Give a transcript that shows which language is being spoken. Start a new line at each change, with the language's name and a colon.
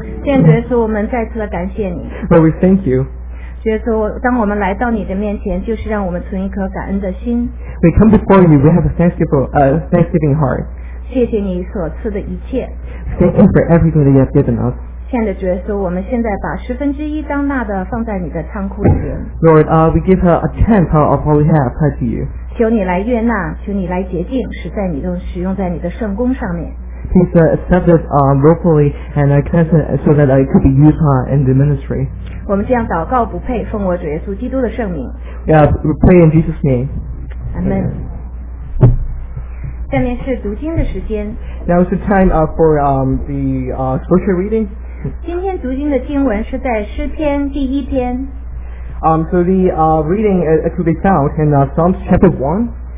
Chinese: 现在是我们再次的感谢你。
English: Lord, we thank you.
Chinese: 就是当我们来到你的面前，就是让我们存一颗感恩的心。
English: We come before you, we have a thanksgiving heart.
Chinese: 谢谢你所赐的一切。
English: Thank you for everything that you have given us.
Chinese: 现在觉得我们现在把十分之一当纳的放在你的仓库里面。
English: Lord, we give her a tenth of all we have tied to you.
Chinese: 求你来悦纳，求你来洁净，使在你的使用在你的圣工上面。
English: Please accept this locally and cleanse it so that it could be used in the ministry. We pray in Jesus' name. Amen.
Chinese: Amen. 下面是读经的时间。
English: Now is the time for the scripture reading.
Chinese: 今天读经的经文是在诗篇第一篇。
English: So the reading could be found in Psalms chapter 1.